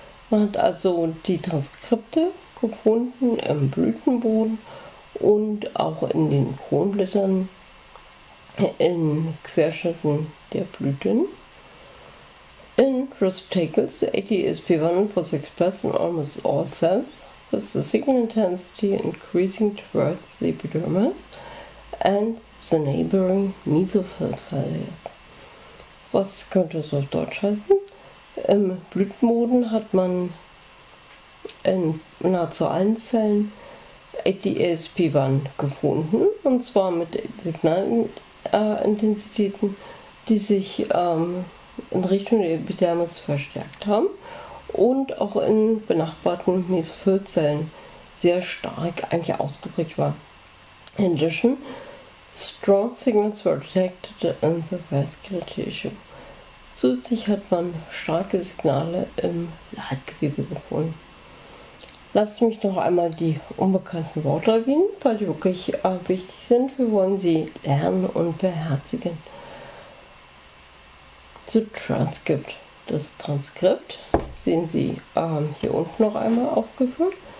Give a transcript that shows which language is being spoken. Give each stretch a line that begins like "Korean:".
German: Man hat also die Transkripte gefunden im Blütenboden und auch in den Kronblättern, in Querschnitten der Blüten.
English: In receptacles, ATASP1 was expressed in almost all cells, with the signal intensity increasing towards the epidermis and the neighboring mesophyll cells.
German: Was könnte das auf Deutsch heißen? Im Blütenboden hat man in nahezu allen Zellen ATSP1 gefunden, und zwar mit Signalintensitäten, die sich in Richtung der Epidermis verstärkt haben und auch in benachbarten Mesophyllzellen sehr stark eigentlich ausgeprägt war.
English: In addition, strong signals were detected in the vascular tissue.
German: Zusätzlich hat man starke Signale im Leitgewebe gefunden. Lasst mich noch einmal die unbekannten Worte erwähnen, weil die wirklich wichtig sind. Wir wollen sie lernen und beherzigen. Zu Transcript. Das Transkript sehen Sie hier unten noch einmal aufgeführt.